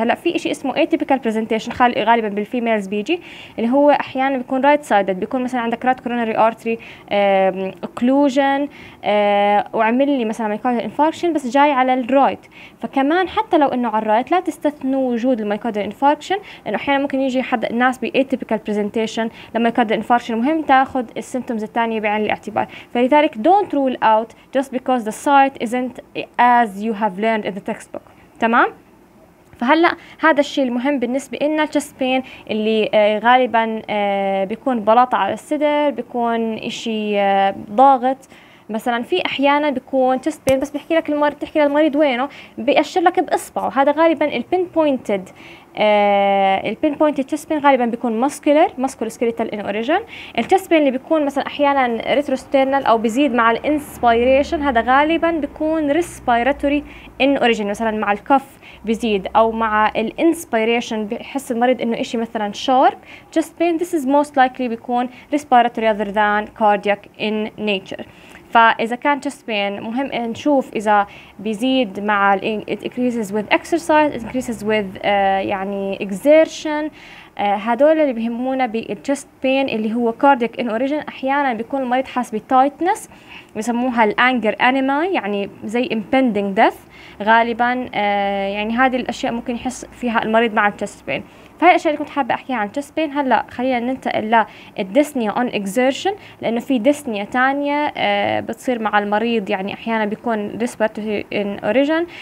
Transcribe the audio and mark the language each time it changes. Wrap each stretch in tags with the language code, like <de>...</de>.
<ar>هلا في شيء اسمه اتيبيكال بريزنتيشن غالبا بالفيميلز بيجي اللي هو احيانا بيكون رايت سايدد، بيكون مثلا عندك رايت كورونري ارتري اوكلوجن وعمل لي مثلا مايكوردال انفاركشن بس جاي على الرايت، فكمان حتى لو انه على الرايت لا تستثنوا وجود المايكوردال انفاركشن لانه احيانا ممكن يجي حد الناس باتيبيكال بريزنتيشن لما يكادر انفاركشن، مهم تاخذ السيمتومز الثانيه بعين الاعتبار.</ar> <en>فلذلك don't rule out just because the site isn't as you have learned in the textbook.</en> <ar>تمام. فهلا هذا الشيء المهم بالنسبه لنا التشست بين اللي غالبا بيكون بلاطه على الصدر، بيكون شيء ضاغط مثلا، في احيانا بيكون تشست بين بس بيحكي لك المريض تحكي للمريض وينه بيأشر لك باصبعه، هذا غالبا البين بوينتد البين بوينت تشست بين غالبا بيكون ماسكولوسكيليتال ان اوريجن. التشست بين اللي بيكون مثلا احيانا ريتروسترنال او بيزيد مع الانسبيريشن هذا غالبا بيكون ريسبيراتوري ان اوريجن، مثلا مع الكف بيزيد او مع الانسبيريشن بحس المريض انه اشي مثلا شارب تشست بين، ذس از موست لايكلي بيكون ريسبيراتوري اذر ذان كاردياك ان نيتشر. فإذا كان chest pain مهم نشوف إذا بيزيد مع it increases with exercise it increases with يعني exertion، هذول اللي بيهمونا بالchest pain اللي هو cardiac in origin. أحيانا بيكون المريض حاس بtightness بيسموها الanger anima يعني زي impending death غالبا، يعني هذه الأشياء ممكن يحس فيها المريض مع chest pain. هاي الأشياء اللي كنت حابة أحكيها عن chest pain. هلا خلينا ننتقل للدسنيا on exertion لأنه في دسنيا تانية بتصير مع المريض يعني أحيانا بيكون respiratory in origin.</ar>